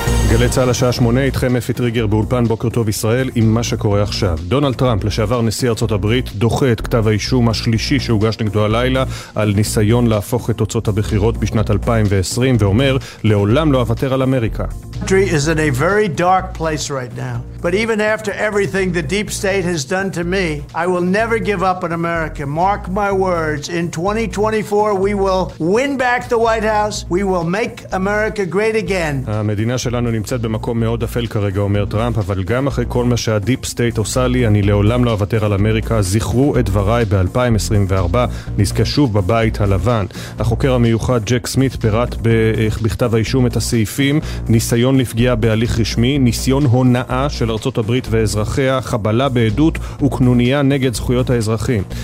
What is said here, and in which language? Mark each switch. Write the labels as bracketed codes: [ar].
[he] גלי צהל השעה 8, איתכם אפי טריגר באולפן בוקר טוב ישראל עם מה שקורה עכשיו. דונלד טראמפ, לשעבר נשיא ארצות הברית, דוחה את כתב האישום השלישי שהוגש נגדו הלילה על ניסיון להפוך את תוצאות הבחירות בשנת 2020 ואומר, לעולם לא אוותר על אמריקה. [en] Country is in a very dark place right now. But even after everything the deep state has done to me, I will never give up on America. Mark my words, in 2024 we will win back the White House. We will make America great again. [he] המדינה שלנו נמצאת במקום מאוד אפל כרגע, אומר טראמפ, אבל גם אחרי כל מה שהדיפ סטייט עושה לי, אני לעולם לא אוותר על אמריקה. זכרו את דבריי ב-2024, נזכה שוב בבית הלבן. החוקר המיוחד ג'ק סמית פירט בכתב האישום את הסעיפים, ניסיון לפגיעה בהליך רשמי, ניסיון הונאה של ארצות הברית ואזרחיה, חבלה בעדות וכנוניה נגד זכויות האזרחים.